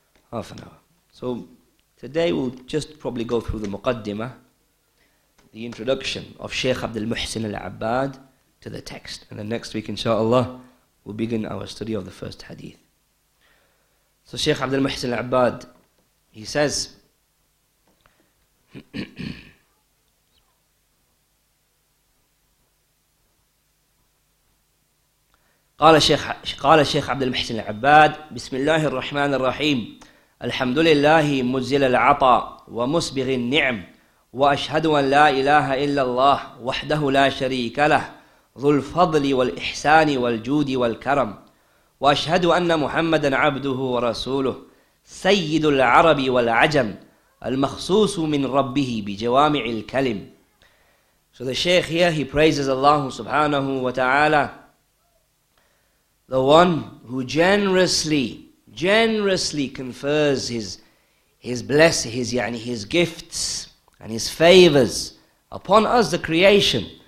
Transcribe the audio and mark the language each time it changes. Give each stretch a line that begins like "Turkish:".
English: Half an hour. So today we'll just probably go through the Muqaddimah, the introduction of Sheikh Abdul Muhsin Al-Abbad to the text. And then next week, inshallah, we'll begin our study of the first hadith. So Sheikh Abdul Muhsin Al-Abbad, he says,
Arabic: قال شيخ عبد المحسن العباد بسم الله الرحمن الرحيم الحمد لله مزيل العطاء ومسبغ النعم وأشهد أن لا إله إلا الله وحده لا شريك له ذو الفضل والإحسان والجود والكرم وأشهد أن محمدا عبده ورسوله سيد العرب والعجم المخصوص من ربه بجوامع الكلم.
English: So the sheikh here, he praises Allah subhanahu wa ta'ala, the one who generously confers his gifts and his favors upon us, the creation.